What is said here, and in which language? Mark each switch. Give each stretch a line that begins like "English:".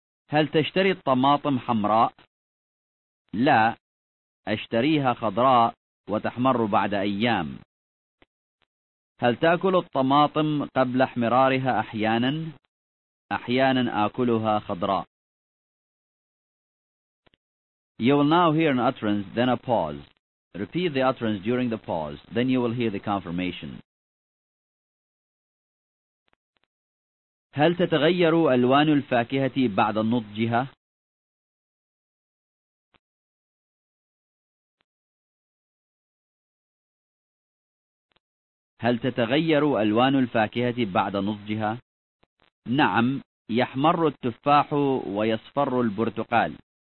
Arabic: هل تشتري الطماطم حمراء؟ لا، أشتريها خضراء وتحمر بعد أيام. هل تأكل الطماطم قبل احمرارها أحيانا؟ أحيانا آكلها خضراء.
English: You will now hear an utterance, then a pause. Repeat the utterance during the pause, then you will hear the confirmation.
Arabic: هل تتغير ألوان الفاكهة بعد نضجها؟ هل تتغير ألوان الفاكهة بعد نضجها؟ نعم، يحمر التفاح ويصفر البرتقال.